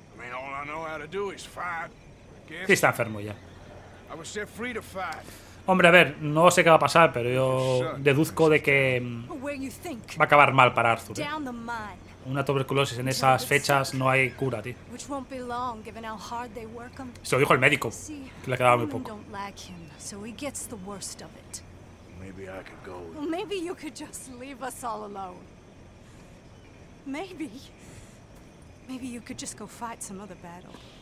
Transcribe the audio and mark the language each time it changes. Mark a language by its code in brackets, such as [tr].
[en] I mean, all I know how to do is fight. [es] Sí, está enfermo ya. [en] I was set free to fight. [es] Hombre, a ver, no sé qué va a pasar, pero yo deduzco de que va a acabar mal para Arthur. Una tuberculosis en esas fechas no hay cura, tío. Se lo dijo el médico, que le quedaba muy poco. [en] Maybe I could go. Well, maybe you could just leave us all alone. Maybe you could just go fight some other battle.